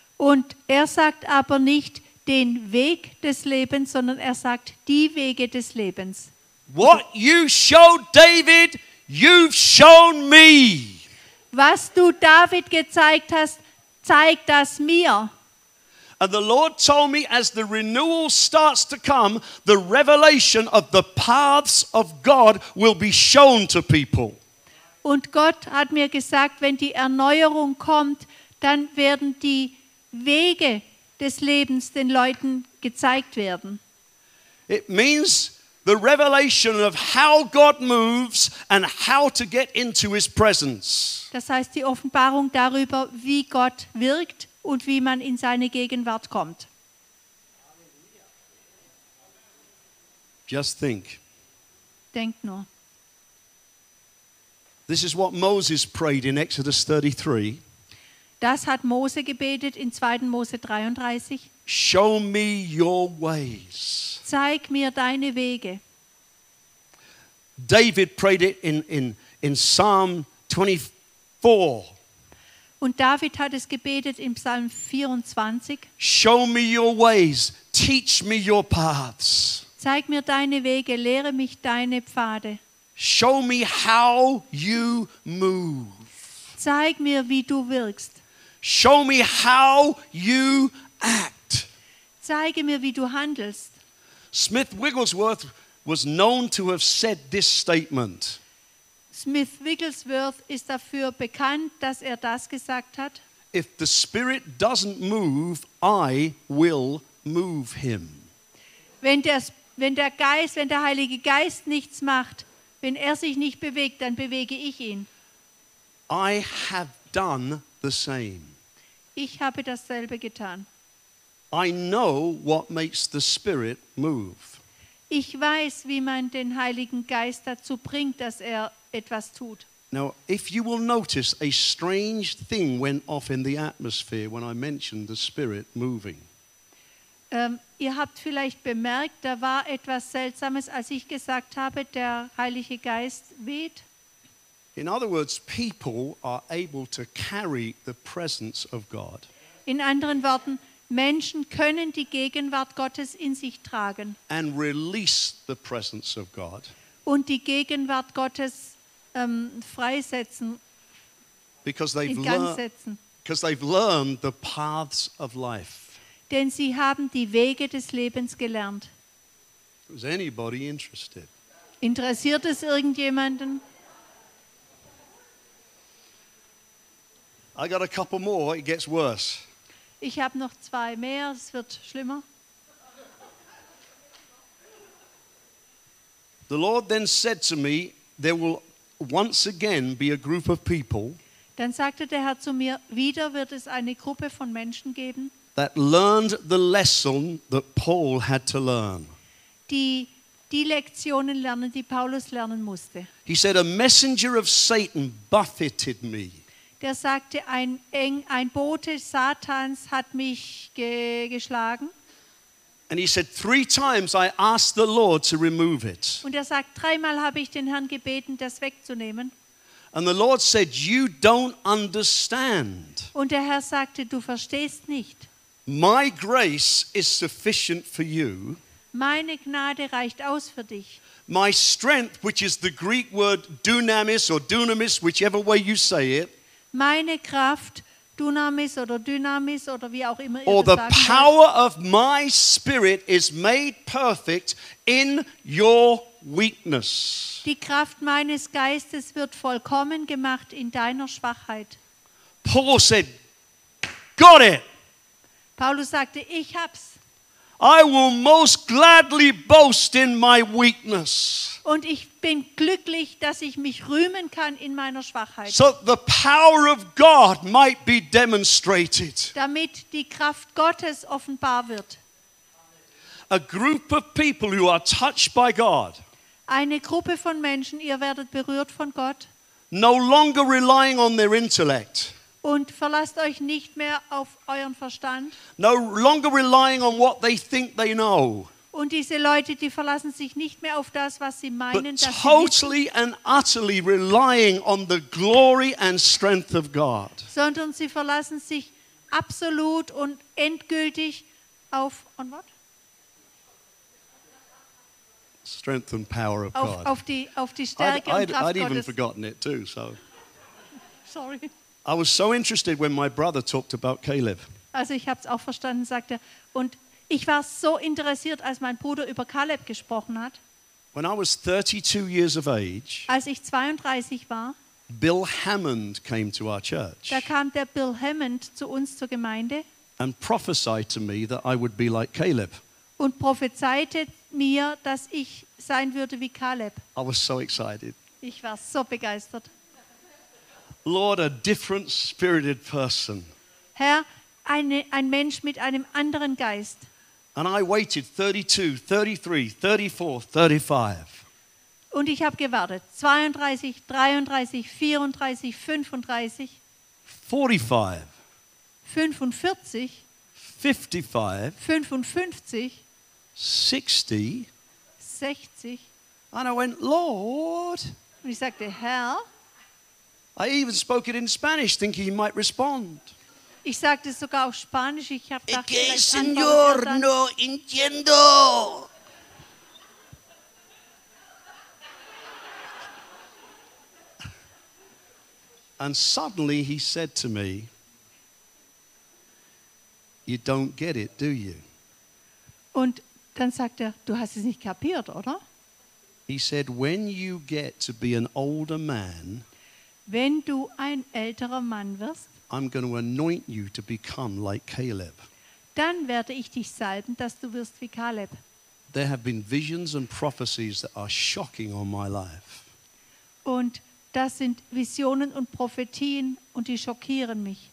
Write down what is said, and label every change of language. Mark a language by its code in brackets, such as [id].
[de] Und er sagt aber nicht den Weg des Lebens, sondern er sagt die Wege des Lebens. [en] What you showed David, you've shown me. [de] Was du David gezeigt hast, zeig das mir. [en] And the Lord told me as the renewal starts to come, the revelation of the paths of God will be shown to people. [de] Und Gott hat mir gesagt, wenn die Erneuerung kommt, dann werden die Wege des Lebens den Leuten gezeigt werden. [en] It means the revelation of how God moves and how to get into his presence. [de] Das heißt die Offenbarung darüber, wie Gott wirkt und wie man in seine Gegenwart kommt. [en] Just think. [de] Denk nur. [en] This is what Moses prayed in Exodus 33. [de] Das hat Mose gebetet in 2. Mose 33. [en] Show me your ways. [de] Zeig mir deine Wege. [en] David prayed it in Psalm 24. [de] Und David hat es gebetet in Psalm 24. [en] Show me your ways. Teach me your paths. [de] Zeig mir deine Wege. Lehre mich deine Pfade. [en] Show me how you move. [de] Zeig mir, wie du wirkst. [en] Show me how you act. [de] Zeige mir, wie du handelst. [en] Smith Wigglesworth was known to have said this statement. [de] Smith Wigglesworth ist dafür bekannt, dass er das gesagt hat. [en] If the Spirit doesn't move, I will move him. [de] Wenn der Heilige Geist nichts macht, wenn er sich nicht bewegt, dann bewege ich ihn. [en] I have done the same. [de] Ich habe dasselbe getan. [en] I know what makes the Spirit move. [de] Ich weiß, wie man den Heiligen Geist dazu bringt, dass er etwas tut. [en] Now, if you will notice, a strange thing went off in the atmosphere when I mentioned the Spirit moving. [de] Ihr habt vielleicht bemerkt, da war etwas Seltsames, als ich gesagt habe, der Heilige Geist weht. [en] In other words, people are able to carry the presence of God. [de] In anderen Worten, Menschen können die Gegenwart Gottes in sich tragen. [en] And release the presence of God. [de] Und die Gegenwart Gottes freisetzen. [en] Because they've learned the paths of life. [de] Denn sie haben die Wege des Lebens gelernt. [en] Is anybody interested? [de] Interessiert es irgendjemanden? [en] I got a couple more, it gets worse. [de] Ich habe noch zwei mehr, es wird schlimmer. [en] The Lord then said to me, there will once again be a group of people. [de] Dann sagte der Herr zu mir, wieder wird es eine Gruppe von Menschen geben. [en] That learned the lesson that Paul had to learn. [de] Die Lektionen lernen, die Paulus lernen musste. [en] He said, a messenger of Satan buffeted me. [de] Der sagte, ein Bote Satans hat mich geschlagen. [en] And he said, three times I asked the Lord to remove it. [de] Und er sagt, dreimal habe ich den Herrn gebeten, das wegzunehmen. [en] And the Lord said, you don't understand. [de] Und der Herr sagte, du verstehst nicht. [en] My grace is sufficient for you. [de] Meine Gnade reicht aus für dich. [en] My strength, which is the Greek word dynamis or dunamis, whichever way you say it. [de] Meine Kraft, Dunamis oder Dynamis oder wie auch immer. [en] Or the power of my spirit is made perfect in your weakness. [de] Die Kraft meines Geistes wird vollkommen gemacht in deiner Schwachheit. [en] Paul said, got it. [de] Paulus sagte, ich hab's. [en] I will most gladly boast in my weakness. [de] Und ich bin glücklich, dass ich mich rühmen kann in meiner Schwachheit. [en] So the power of God might be demonstrated. [de] Damit die Kraft Gottes offenbar wird. [en] A group of people who are touched by God. [de] eine Gruppe von Menschen, ihr werdet berührt von Gott. [en] No longer relying on their intellect. [de] Und verlasst euch nicht mehr auf euren Verstand. [en] No longer relying on what they think they know. [de] Und diese Leute, die verlassen sich nicht mehr auf das, was sie meinen, [en] dass totally sie and utterly relying on the glory and strength of God. [de] Sondern sie verlassen sich absolut und endgültig auf [en] on what? Strength and power of [de] auf, [en] God. [de] Auf die Stärke und Kraft [en] I'd even [de] Gottes. [en] Forgotten it too, so. Sorry. I was so interested when my brother talked about Caleb. [de] Also ich habe es auch verstanden, sagt er. Und ich war so interessiert, als mein Bruder über Caleb gesprochen hat. [en] When I was 32 years of age, [de] als ich 32 war, [en] Bill Hammond came to our church. [de] Da kam der Bill Hammond zu uns zur Gemeinde. [en] And prophesied to me that I would be like Caleb. [de] Und prophezeite mir, dass ich sein würde wie Caleb. [en] I was so excited. [de] Ich war so begeistert. [en] Lord, a different spirited person. [de] Herr, ein Mensch mit einem anderen Geist. [en] And I waited 32, 33, 34, 35. [de] Und ich habe gewartet. 32, 33, 34, 35. [en] 45. [de] 45. [en] 55. [de] 55. [en] 60. [de] 60. [en] And I went, Lord. [de] Und ich sagte, Herr. [en] I even spoke it in Spanish, thinking he might respond. [de] Ich sagte es sogar auf Spanisch. Ich habe gedacht, [es] okay, señor, no entiendo. [en] And suddenly he said to me, "You don't get it, do you?" [de] Und dann sagt er, du hast es nicht kapiert, oder? [en] He said, "When you get to be an older man." [de] Wenn du ein älterer Mann wirst, [en] I'm going to anoint you to become like Caleb. [de] Dann werde ich dich salben, dass du wirst wie Caleb. [en] There have been visions and prophecies that are shocking on my life. [de] Und das sind Visionen und Prophetien und die schockieren mich.